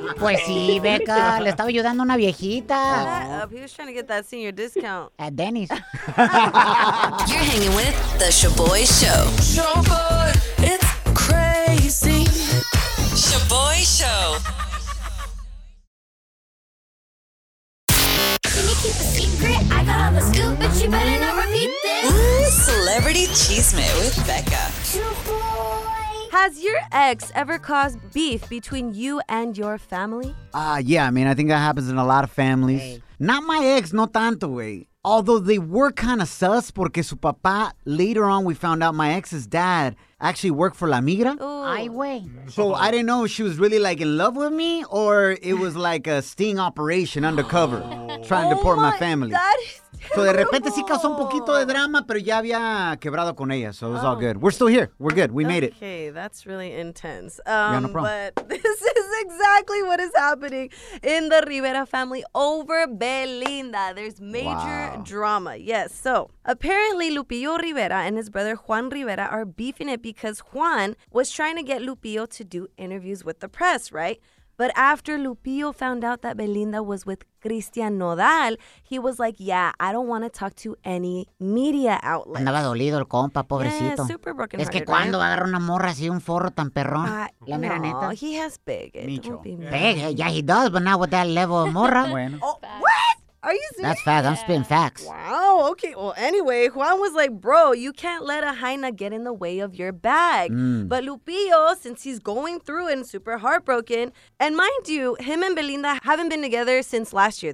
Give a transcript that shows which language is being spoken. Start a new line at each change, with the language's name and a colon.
Spanish: Pues sí, Beca, le estaba ayudando a una viejita.
English: He was trying to get that senior discount. At Denny's. You're hanging with The Shaboy Show. Shaboy, it's crazy. Shaboy Show. Celebrity Cheesemate with Becca. Has your ex ever caused beef between you and your family? Yeah, I mean, I think that happens in a lot of families. Hey. Not my ex,
Spanish: no tanto, güey.
English: Although they were kind of sus
Spanish: porque su papá,
English: later on we found out my ex's dad actually worked for La Migra.
Spanish: Ay, güey.
English: So I didn't know if she was really like in love with me or it was like a sting operation undercover trying to deport my family. That is
Spanish: so de repente sí causó un poquito de drama, pero ya había quebrado con ella,
English: so it was all good. We're still here. We're good. We made it. Okay, that's really intense. But this is exactly what is happening in the Rivera family over Belinda. There's major drama. Yes, so apparently Lupillo Rivera and his brother Juan Rivera are beefing it because Juan was trying to get Lupillo to do interviews with the press, right? But after Lupillo found out that Belinda was with Cristian Nodal, he was like, yeah, I don't want to talk to any media outlet.
Spanish: Andaba dolido el compa, pobrecito.
English: Yeah, super broken
Spanish: hearted. Es que cuando agarra una morra así, un forro tan perrón. La mera neta.
English: No, he has big. Micho. Big, yeah, he does, but not with that level of morra.
Spanish: Bueno.
English: Oh, what? Are you serious? That's facts. I'm spitting facts. Wow. Okay. Well, anyway, Juan was like, bro, you can't let a Jaina get in the way of your bag. Mm. But Lupillo, since he's going through and super heartbroken, and mind you, him and Belinda haven't been together since last year.